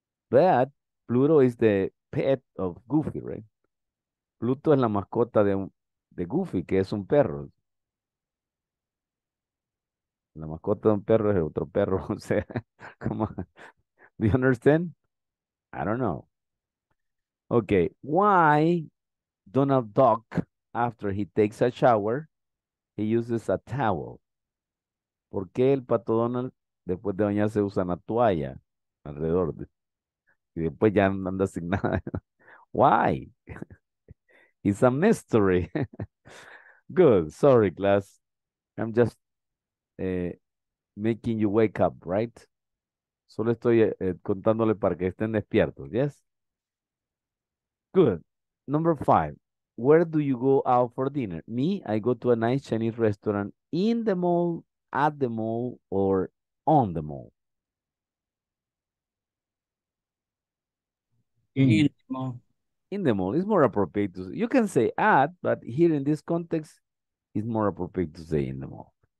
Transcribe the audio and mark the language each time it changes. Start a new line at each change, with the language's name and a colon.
English: But Pluto is the pet of Goofy, right?
Spanish: Pluto es la mascota de Goofy, que es un perro. La mascota de un perro es otro perro.
English: O sea, come on. Do you understand? I don't know. Okay, why Donald Duck, after he takes a shower, he uses a towel?
Spanish: ¿Por qué el pato Donald después de bañarse usa una toalla alrededor? Y después ya anda sin nada. Why? It's a mystery.
English: Good, sorry class. I'm just making you wake up, right?
Spanish: Solo estoy contándole para que estén despiertos, yes?
English: Good. Number five. Where do you go out for dinner? Me, I go to a nice Chinese restaurant in the mall, at the mall, or on the mall. In the mall. In the mall. It's more appropriate to say. You can say at, but here in this context, it's more appropriate to say in the mall.